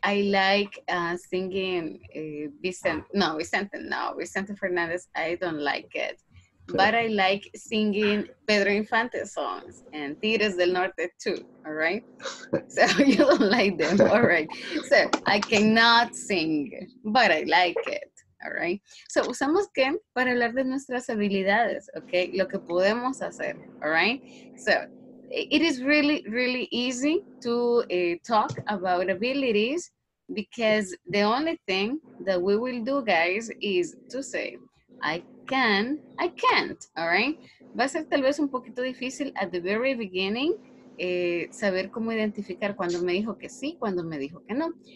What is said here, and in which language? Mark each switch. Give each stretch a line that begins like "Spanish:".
English: I like singing Vicente Fernandez. I don't like it. But I like singing Pedro Infante songs and Tigres del Norte too, all right? So you don't like them, all right? So I cannot sing, but I like it, all right?
Spanish: So usamos que para hablar de nuestras habilidades, okay? Lo que podemos hacer, all right?
English: So it is really, really easy to talk about abilities because the only thing that we will do, guys, is to say, I can't, all right?
Spanish: Va a ser tal vez un poquito difícil
English: at the very beginning
Spanish: saber cómo identificar cuando me dijo que sí, cuando me dijo que no.